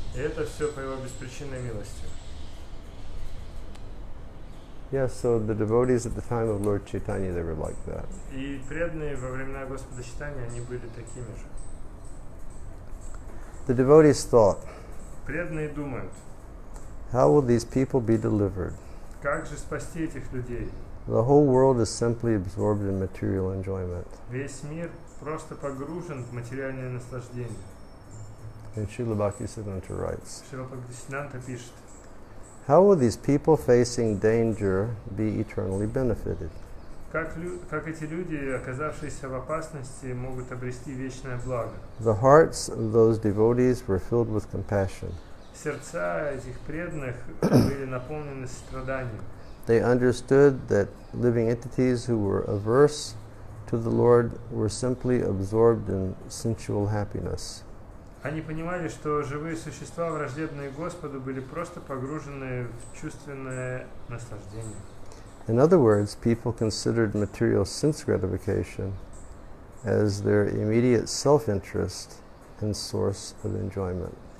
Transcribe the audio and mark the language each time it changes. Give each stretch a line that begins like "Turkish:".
Russian: И это все по его беспричинной милости.
English: Yeah, so the devotees at the time of Lord Chaitanya, they were like that.
Russian: И преданные во времена Господа Чайтаньи, они были такими же.
English: The devotees thought.
Russian: Преданные думают.
English: How will these people be delivered?
Russian: Как же спасти этих людей?
English: The whole world is simply absorbed in material enjoyment.
Russian: Весь мир просто погружен в материальное наслаждение.
English: And Srila Bhakti-siddhanta writes.
Russian: Srila Bhakti-siddhanta пишет.
English: How will these people facing danger be eternally benefited?
Russian: Как эти люди, оказавшиеся в опасности, могут обрести вечное благо?
English: The hearts of those devotees were filled with compassion.
Russian: Сердца этих преданных были наполнены страданием.
English: They understood that living entities who were averse to the Lord were simply absorbed in sensual happiness.
Russian: Они понимали, что живые существа, враждебные Господу, были просто погружены в чувственное наслаждение.
English: In other words, people considered material sense gratification as their immediate self-interest and source of enjoyment.